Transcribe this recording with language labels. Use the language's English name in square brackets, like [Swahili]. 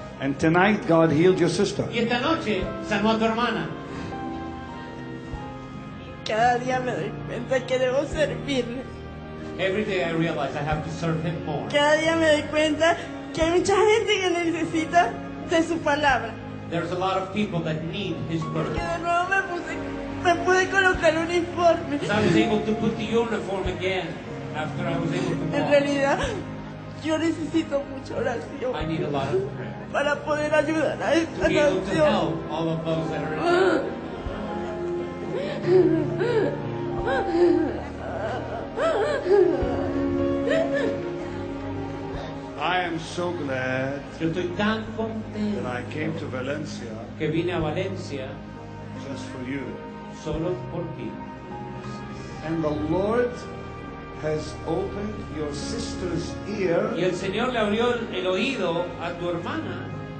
[English] And tonight God healed your sister. [Spanish] Y esta noche sanó a tu hermana. Cada día me doy cuenta que debo servirle. [English] Every day I realize I have to serve him more. [Spanish] Cada día me doy cuenta que hay mucha gente que necesita de su palabra. [English] There's a lot of people that need his word. [Spanish] Porque de nuevo me pude colocar el uniforme. [English] So I was able to put the uniform again after I was able to walk. [Spanish] En realidad, yo necesito mucha oración. [English] I need a lot of prayer. [Spanish] Para poder ayudar a esta [English] nación. To be able to help all of those that are in need. I am so glad. [Spanish] Yo estoy tan contento. [English] That I came to Valencia. [Spanish] Que vine a Valencia. [English] Just for you. [Spanish] Solo por ti. [English] And the Lord has opened your sister's ear. [Spanish] Y el Señor le abrió el oído a tu hermana.